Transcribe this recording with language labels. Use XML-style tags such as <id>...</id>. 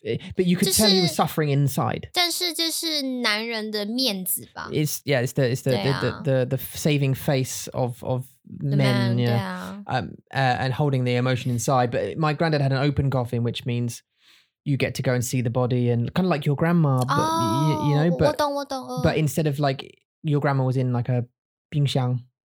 <en>But you could tell he was suffering inside.</en> <zh>但是这是男人的面子吧</zh> <en>It's, yeah, it's the saving face of men. Man, yeah. And holding the emotion inside. But my granddad had an open coffin, which means you get to go and see the body and kind of like your grandma, but,、 oh, you know, but,</en> <zh>我懂我懂、</zh> <en>but instead of like, your grandma was in like a 冰箱</en>